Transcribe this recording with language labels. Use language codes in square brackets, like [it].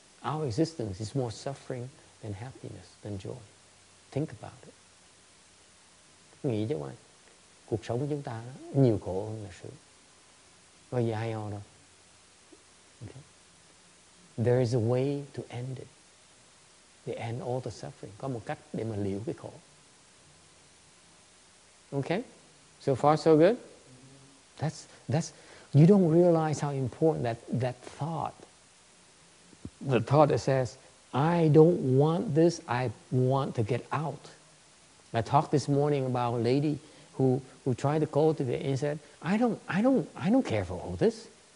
[en] Our existence is more suffering than happiness, than joy. Think about it. [vi] Nghĩ chứ mà cuộc sống của chúng ta đó, nhiều khổ hơn là sướng. Có gì hay ho đâu? [en] Okay. There is a way to end it. They end all the suffering. [vi] Có một cách để mà liễu cái khổ. [en] Okay? So far, so good? That's you don't realize how important that thought. The thought that says, I don't want this, I want to get out. I talked this morning about a lady who tried to cultivate and said, I don't care for all this.